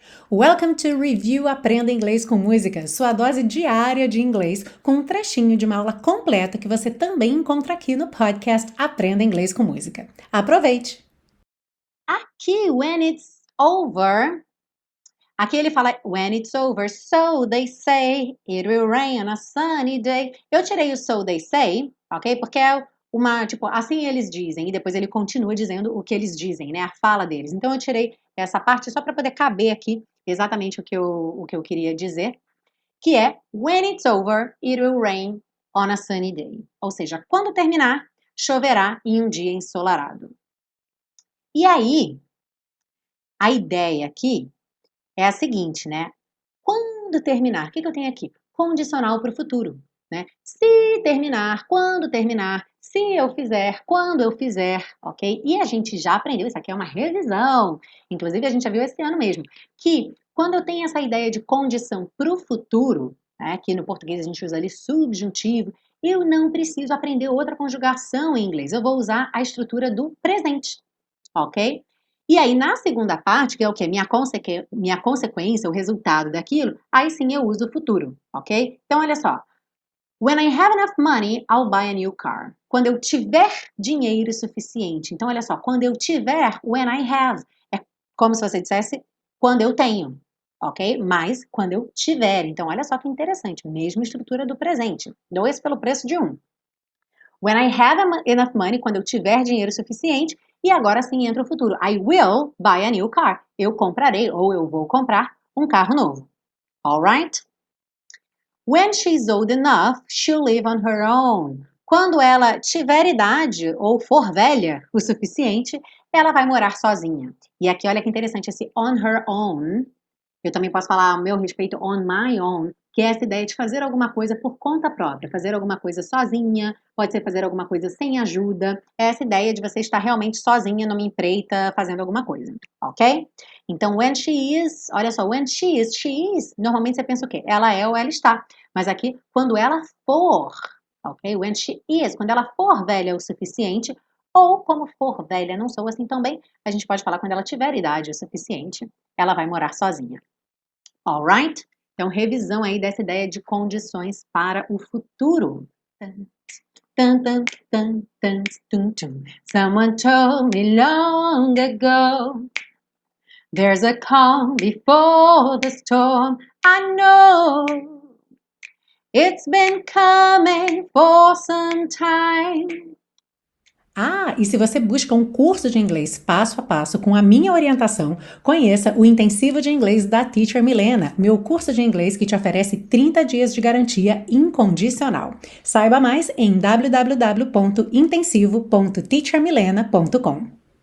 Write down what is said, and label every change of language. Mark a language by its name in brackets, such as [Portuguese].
[English] Welcome to Review [Portuguese] Aprenda Inglês com Música, sua dose diária de inglês, com um trechinho de uma aula completa que você também encontra aqui no podcast Aprenda Inglês com Música. Aproveite! Aqui, [English] when it's over, [Portuguese] aqui ele fala, [English] when it's over, so they say, it will rain on a sunny day. [Portuguese] Eu tirei o [English] so they say, [Portuguese] ok? Porque é uma, tipo, assim eles dizem, e depois ele continua dizendo o que eles dizem, né? A fala deles. Então eu tirei essa parte só para poder caber aqui exatamente o que eu queria dizer, que é, [English] when it's over, it will rain on a sunny day. [Portuguese] Ou seja, quando terminar, choverá em um dia ensolarado. E aí, a ideia aqui é a seguinte, né? Quando terminar, o que eu tenho aqui? Condicional para o futuro, né? Se terminar, quando terminar, se eu fizer, quando eu fizer, ok? E a gente já aprendeu, isso aqui é uma revisão, inclusive a gente já viu esse ano mesmo, que quando eu tenho essa ideia de condição para o futuro, né? Que no português a gente usa ali subjuntivo, eu não preciso aprender outra conjugação em inglês, eu vou usar a estrutura do presente. Ok? E aí, na segunda parte, que é o quê? Minha consequência, o resultado daquilo, aí sim eu uso o futuro, ok? Então, olha só. [English] When I have enough money, I'll buy a new car. [Portuguese] Quando eu tiver dinheiro suficiente. Então, olha só. Quando eu tiver, [English] when I have. [Portuguese] É como se você dissesse, quando eu tenho, ok? Mas, quando eu tiver. Então, olha só que interessante. Mesma estrutura do presente. Dois pelo preço de um. [English] When I have enough money, [Portuguese] quando eu tiver dinheiro suficiente, e agora sim entra o futuro. [English] I will buy a new car. [Portuguese] Eu comprarei ou eu vou comprar um carro novo. [English] All right? When she's old enough, she'll live on her own. [Portuguese] Quando ela tiver idade ou for velha o suficiente, ela vai morar sozinha. E aqui, olha que interessante esse [English] on her own. [Portuguese] Eu também posso falar ao meu respeito [English] on my own, [Portuguese] que é essa ideia de fazer alguma coisa por conta própria, fazer alguma coisa sozinha, pode ser fazer alguma coisa sem ajuda, é essa ideia de você estar realmente sozinha numa empreita fazendo alguma coisa, ok? Então, [English] when she is, [Portuguese] olha só, when she is, normalmente você pensa o quê? Ela é ou ela está, mas aqui, quando ela for, ok? [English] When she is, [Portuguese] quando ela for velha o suficiente, ou como for velha, não sou assim tão bem, a gente pode falar quando ela tiver idade o suficiente, ela vai morar sozinha, [English] all right? [Portuguese] Então, revisão aí dessa ideia de condições para o futuro. Tum, tum, tum, tum, tum, tum. [English] Someone told me long ago, there's a calm before the storm. I know it's been coming for some time. [Portuguese] Ah, e se você busca um curso de inglês passo a passo com a minha orientação, conheça o Intensivo de Inglês da Teacher Milena, meu curso de inglês que te oferece 30 dias de garantia incondicional. Saiba mais em www.intensivo.teachermilena.com.